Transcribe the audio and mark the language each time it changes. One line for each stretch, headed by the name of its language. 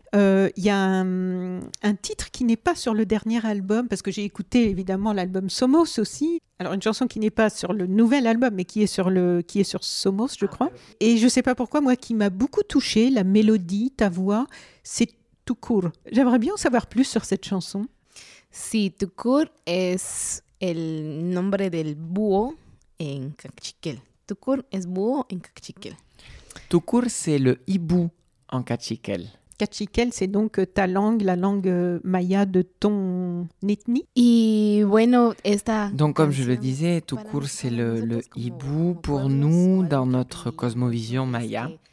French: Il y a un titre qui n'est pas sur le dernier album, parce que j'ai écouté évidemment l'album Somos aussi. Alors, une chanson qui n'est pas sur le nouvel album, mais qui est sur Somos, je crois. Et je ne sais pas pourquoi, moi, qui m'a beaucoup touchée, la mélodie, ta voix, c'est tout court. J'aimerais bien en savoir plus sur cette chanson.
Spanish: Sí, Tucur es el nombre del búho en Kakchiquel. Tucur es búho en Kakchiquel.
French: Tucur, c'est le hibou en Kakchiquel. Kakchiquel, c'est donc ta langue, la langue maya de ton ethnie.
Spanish: Y bueno, esta...
French: Donc, comme je le disais, Tucur, c'est le hibou pour nous dans notre cosmovision maya.